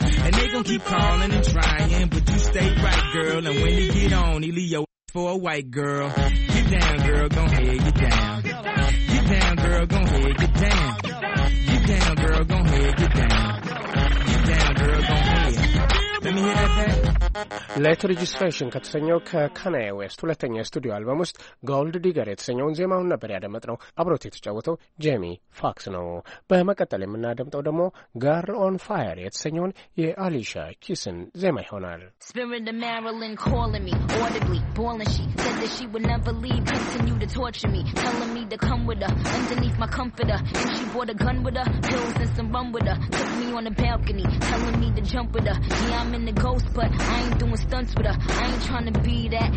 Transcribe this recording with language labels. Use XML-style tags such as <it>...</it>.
<en>And they gon' keep calling and trying, but you stay right, girl. And when you get on, he leave your for a white girl. Get down, girl, gon' head, get down. Get down, girl, gon' head, get down. Get down, girl, gon' head, get down. Get down, girl, gon' head.</en> <am>ሌት ሬጅስትሬሽን ከተሰኘው ከካናይ ዌስት ሁለተኛ የስቱዲዮ አልበም ውስጥ ጎልድ ዲገር የተሰኘውን ዜማውን ነበር ያደመጥነው። አብሮት የተጫወተው ጄሚ ፎክስ ነው። በመቀጠል የምናደምጠው ደግሞ ጋርል ኦን ፋየር የተሰኘውን የአሊሻ ኪስን ዜማ ይሆናል።</am> <en>Spirit of Marilyn calling me audibly, bawling she said that she would never leave, continue to torture me, telling me to come with her underneath my comforter. And she brought a gun with her, pills and some rum with her, took me on the balcony, telling me to jump with her. Yeah, I'm in the ghost, but I ain't doing stunts with her. I ain't trying to be that.</en>